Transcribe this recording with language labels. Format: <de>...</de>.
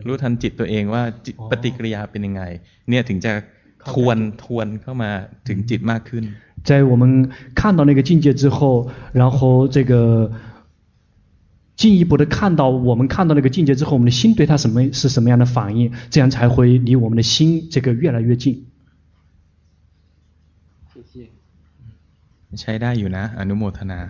<th>รู้ทันจิตตัวเองว่าปฏิกิริยาเป็นยังไงเนี่ยถึงจะทวนเข้ามาถึงจิตมากขึ้น</th> <zh>在我们看到那个境界之后然后这个进一步的看到我们看到那个境界之后我们的心对它是什么样的反应这样才会离我们的心这个越来越近谢谢</zh> <th>ใช้ได้อยู่นะอนุโมทนา</th>